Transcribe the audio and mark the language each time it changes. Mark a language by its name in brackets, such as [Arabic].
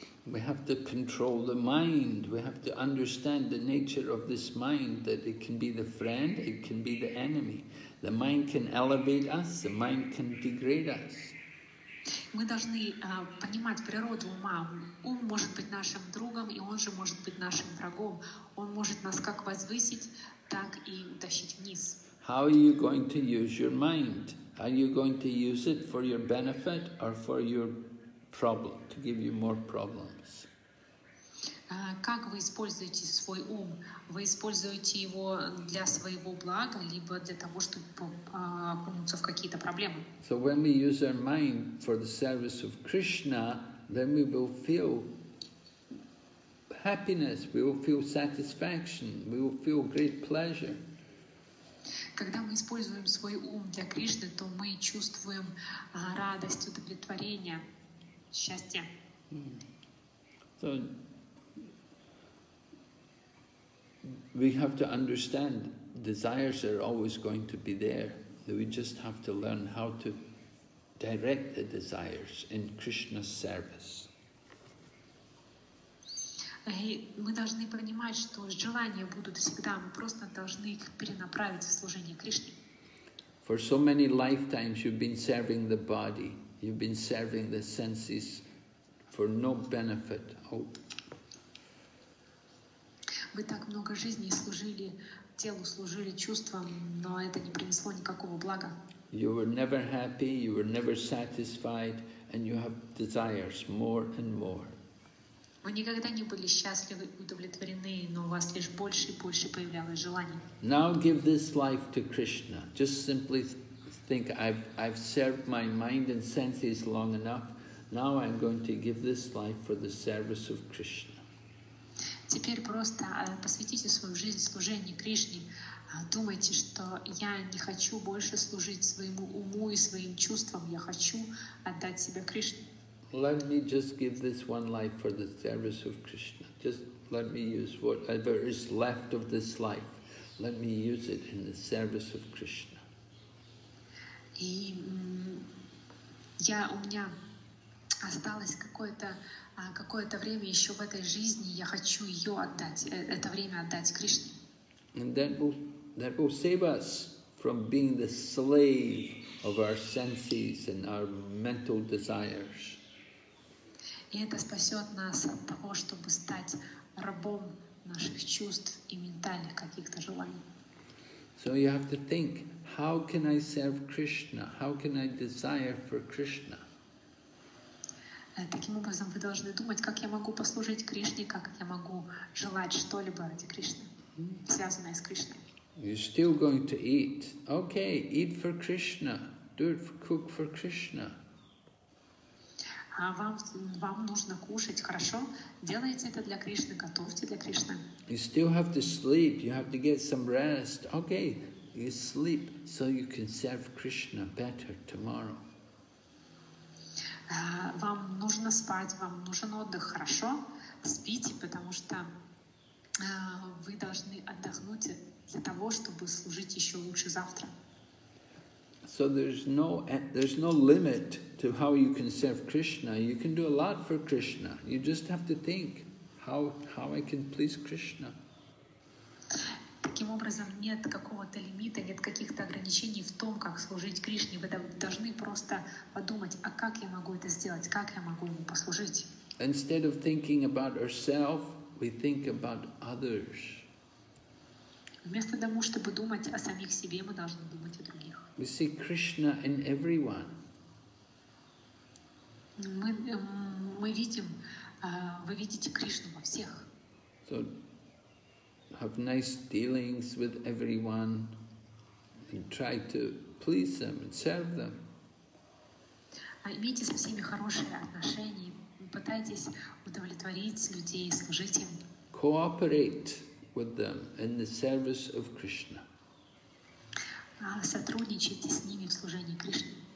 [English] We have to control the mind, we have to understand the nature of this mind, that it can be the friend, it can be the enemy. The mind can elevate us, the mind can degrade us. [Russian] Мы должны понимать природу ума. Ум может быть нашим другом, и он же может быть нашим врагом. Он может нас как возвысить, так и утащить вниз. [English] How are you going to use your mind? Are you going to use it for your benefit or for your problem, to give you more problems? [Russian] Как вы используете свой ум? Вы используете его для своего блага, либо для того, чтобы окунуться в какие-то проблемы? [English] So when we use our mind for the service of Krishna, then we will feel happiness, we will feel satisfaction, we will feel great pleasure. [Russian] Когда мы используем свой ум для Кришны, то мы чувствуем радость, удовлетворение, счастье. [English] So, we have to understand desires are always going to be there. We just have to learn how to direct the desires in Krishna's service. [Russian] Мы должны понимать, что желания будут всегда, мы просто должны их перенаправить в служение Кришне. [English] For so many lifetimes you've been serving the body, you've been serving the senses for no benefit. Oh. [Russian] Вы так много жизней служили телу, служили чувствам, но это не принесло никакого блага. [English] You were never happy, you were never satisfied, and you have desires more and more. [Russian] Вы никогда не были счастливы, удовлетворены, но у вас лишь больше и больше появлялось желаний. [English] Now give this life to Krishna. Just simply think, I've served my mind and senses long enough. Now I'm going to give this life for the service of Krishna. [Russian] Теперь просто посвятите свою жизнь служению Кришне. Думайте, что я не хочу больше служить своему уму и своим чувствам. Я хочу отдать себя Кришне. [English] Let me just give this one life for the service of Krishna. Just let me use whatever is left of this life. Let me use it in the service of Krishna. [Russian] И у меня осталось какое-то время еще в этой жизни, я хочу ее отдать, это время отдать Кришне. [English] And that will save us from being the slave of our senses and our mental desires. [Russian] И это спасет нас от того, чтобы стать рабом наших чувств и ментальных каких-то желаний. [English] So you have to think, how can I serve Krishna? How can I desire for Krishna? [Russian] Таким образом, вы должны думать, как я могу послужить Кришне, как я могу желать что-либо ради Кришны, связанное с Кришной. [English] You're still going to eat. Okay, eat for Krishna. Do it for, cook for Krishna. [Russian] А вам нужно кушать, хорошо? Делайте это для Кришны, готовьте для Кришны. [English] You still have to sleep, you have to get some rest. Okay, you sleep so you can serve Krishna better tomorrow. [Russian] Вам нужно спать, вам нужен отдых, хорошо? Спите, потому что вы должны отдохнуть для того, чтобы служить еще лучше завтра. [English] So there's no limit to how you can serve Krishna. You can do a lot for Krishna. You just have to think how I can please Krishna. [Russian] Таким образом, нет какого-то лимита, нет каких-то ограничений в том, как служить Кришне. Вы должны просто подумать, а как я могу это сделать, как я могу ему послужить. [English] Instead of thinking about ourselves, we think about others. [Russian] Вместо того, чтобы думать о самих себе, мы должны думать о других. [English] We see Krishna in everyone. [Russian] Вы видите Кришну во всех. [English] So have nice dealings with everyone and try to please them and serve them. [Russian] Имейте со всеми хорошие отношения, пытайтесь удовлетворить людей, служить им. [English] Cooperate with them in the service of Krishna. [Russian] Сотрудничайте с ними в служении Кришне.